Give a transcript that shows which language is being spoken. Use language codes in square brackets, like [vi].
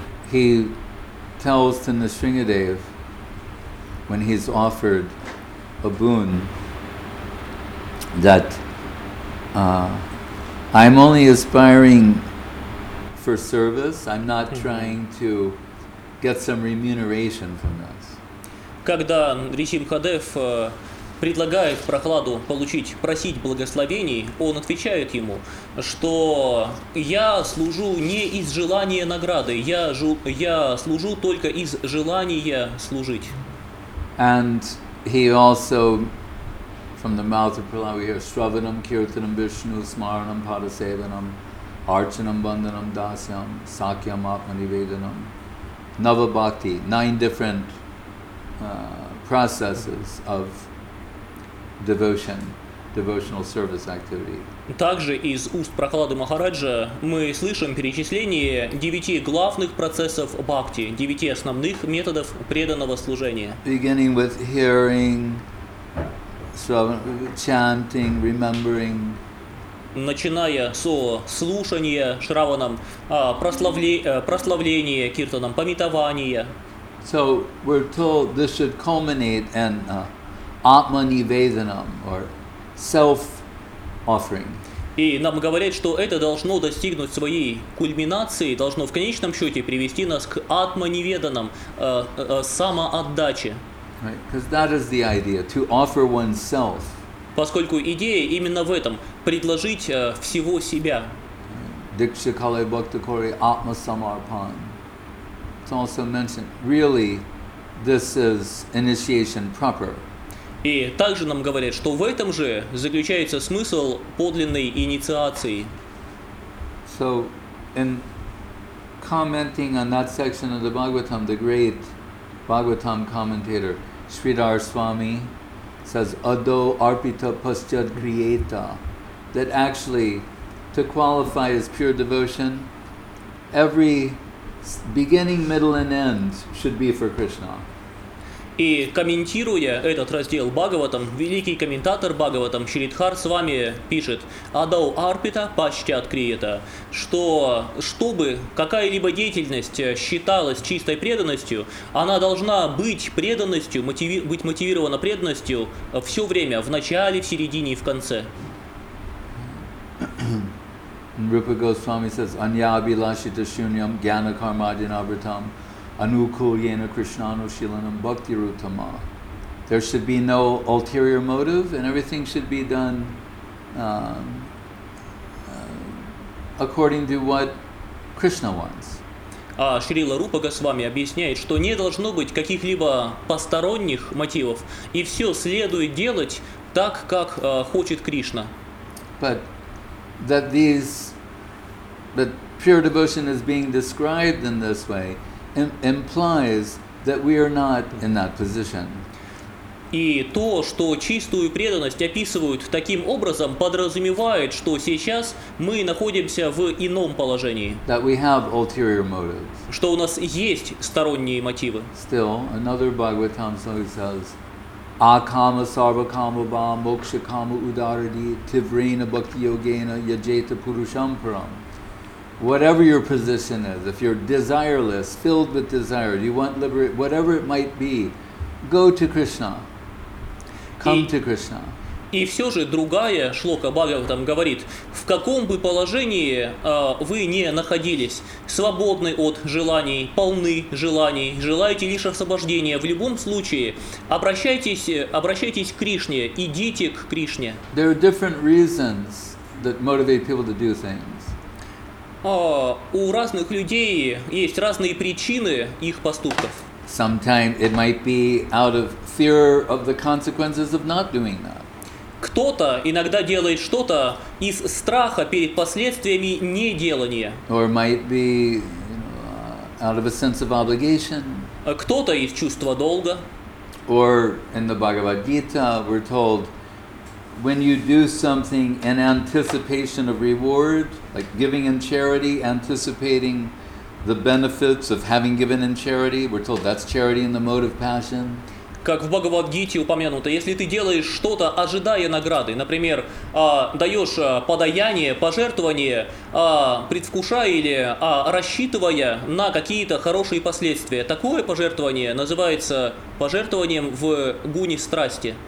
[en] He tells to Nrisingadev when he's offered a boon that I'm only aspiring for service, I'm not trying to get some remuneration from this. [ru] Когда Нрисимхадев предлагает Прохладу получить, просить благословений, он отвечает ему, что я служу не из желания награды, я служу только из желания служить. [en] And he also, from the mouth of Prahlad, we hear Shravanam, Kirtanam, Vishnu, Smaranam, Padasevanam, Archanam, Vandanam, Dasyam, Sakyam, Atmanivedanam, Navabhakti, 9 different processes of devotional service activity. [ru] Также из уст Прохлады Махараджа мы слышим перечисление 9 главных процессов бхакти, 9 основных методов преданного служения. [en] Beginning with hearing, chanting, remembering. [ru] Начиная со слушания шраванам, прославления киртанам, памятования. [en] So we're told this should culminate in Atmanivedanam, or self-offering. [ru] И нам говорят, что это должно достигнуть своей кульминации, должно в конечном счете привести нас к атманиведанам, самоотдаче. [en] Right, because that is the idea, to offer oneself. [ru] Поскольку идея именно в этом, предложить всего себя. [bn] Дикша калай бхактакори атма самарпан. [en] It's also mentioned, really, this is initiation proper. [ru] И также нам говорят, что в этом же заключается смысл подлинной инициации. [en] So, in commenting on that section of the Bhagavatam, the great Bhagavatam commentator, Sridhar Swami, says, [sa] Ado Arpita Paschad Kriyeta, [en] that actually, to qualify as pure devotion, every beginning, middle, and end should be for Krishna. [ru] И комментируя этот раздел Бхагаватам, великий комментатор Бхагаватам Шридхар Свами пишет: [sa] «Адау арпита пащат криета», [ru] что чтобы какая-либо деятельность считалась чистой преданностью, она должна быть преданностью, быть мотивирована преданностью все время, в начале, в середине и в конце. [en] Rupa Goswami says, [sa] Anya Abhilashita Shunyam Jnana Karma Adinavritam Anukul Yena Krishnanu Shilanam Bhakti Rutama. [en] There should be no ulterior motive and everything should be done according to what Krishna wants. [ru] Шрила Рупа Госвами объясняет, что не должно быть каких-либо посторонних мотивов и все следует делать так, как хочет Кришна. [en] But that these But pure devotion is being described in this way implies that we are not in that position. [ru] И то, что чистую преданность описывают таким образом, подразумевает, что сейчас мы находимся в ином положении. [en] That we have ulterior motives. [ru] Что у нас есть сторонние мотивы. [en] Still, another Bhagavatam song says, [sa] Akama sarva kama ba moksha kama udaradi tivrena bhakti yogena yajeta purusham param. [en] Whatever your position is, if you're desireless, filled with desire, you want liberate, whatever it might be, go to Krishna. Come to Krishna. [ru] И все же другая шлока Бхагаватам говорит, в каком бы положении вы не находились, свободны от желаний, полны желаний, желаете лишь освобождения, в любом случае обращайтесь к Кришне, идите к Кришне. [en] There are different reasons that motivate people to do things. [ru] У разных людей есть разные причины их поступков. [en] Sometimes it might be out of fear of the consequences of not doing that. [ru] Кто-то иногда делает что-то из страха перед последствиями неделания. [en] Or might be, you know, out of a sense of obligation. [ru] Кто-то из чувства долга. [en] Or in the Bhagavad Gita we're told, when you do something in anticipation of reward, like giving in charity, anticipating the benefits of having given in charity, we're told that's charity in the mode of passion. [ru] Как в Бхагавад-гите упомянуто, если ты делаешь что-то, ожидая награды, например, даешь подаяние, пожертвование, предвкушая или рассчитывая на какие-то хорошие последствия, такое пожертвование называется пожертвованием в гуне страсти.